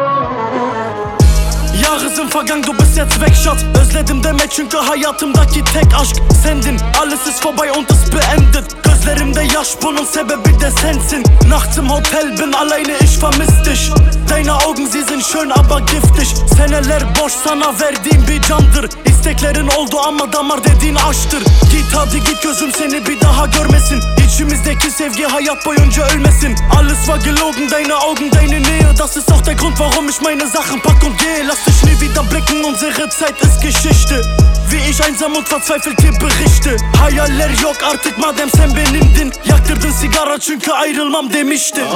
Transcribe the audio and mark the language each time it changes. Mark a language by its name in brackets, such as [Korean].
[German] kafa gang du bist jetzt weg Schatz. [Turkish] Özledim deme çünkü hayatımdaki tek aşk sendin. [German] Alles ist vorbei und es beendet. [Turkish] Gözlerimde yaş bunun sebebi de sensin. [German] Nachts im Hotel bin alleine ich vermiss dich. Deine Augen sie sind schön aber giftig. [Turkish] Seneler boş sana verdiğim bir candır. İsteklerin oldu ama damar dediğin aşktır. Git hadi git gözüm seni bir daha görmesin. İçimizdeki sevgi hayat boyunca ölmesin. [German] Alles war gelogen, deine Augen, deine Nähe. Das ist auch der Grund warum ich meine Sachen pack und gehe. Lass dich nie wieder blicken, unsere Zeit ist Geschichte. Wie ich einsam und verzweifelt dir berichte. [Turkish] Hayaller yok artık madem sen benimdin. Yaktırdın sigara çünkü ayrılmam demiştin.